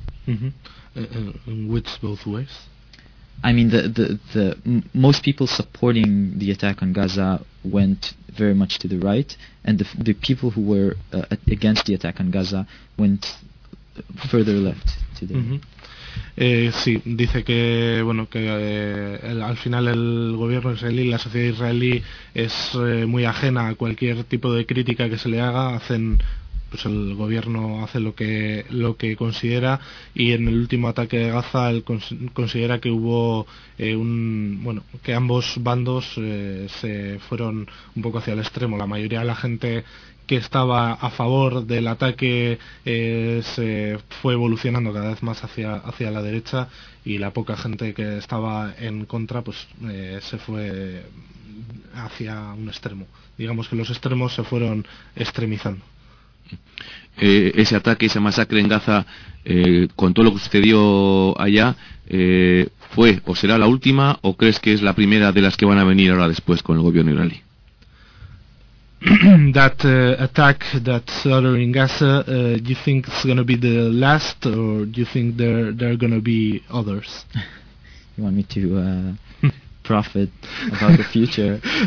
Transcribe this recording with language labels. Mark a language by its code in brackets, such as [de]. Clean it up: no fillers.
[en] Mm-hmm. Which both ways? I mean, most people supporting the attack on Gaza went very much to the right, and the people who were against the attack on Gaza went further left to the right. Mm-hmm. [es] Sí, dice que, bueno, que al final el gobierno israelí, la sociedad israelí, es muy ajena a cualquier tipo de crítica que se le haga. Hacen pues el gobierno hace lo que considera, y en el último ataque de Gaza él considera que hubo que ambos bandos se fueron un poco hacia el extremo. La mayoría de la gente que estaba a favor del ataque se fue evolucionando cada vez más hacia la derecha, y la poca gente que estaba en contra pues se fue hacia un extremo. Digamos que los extremos se fueron extremizando. Ese ataque, esa masacre en Gaza, con todo lo que sucedió allá, ¿fue o será la última, o crees que es la primera de las que van a venir ahora después con el gobierno israelí? [en] That attack, that slaughter in Gaza, you think it's going to be the last, or do you think there are going to be others? You want me to prophet about the future?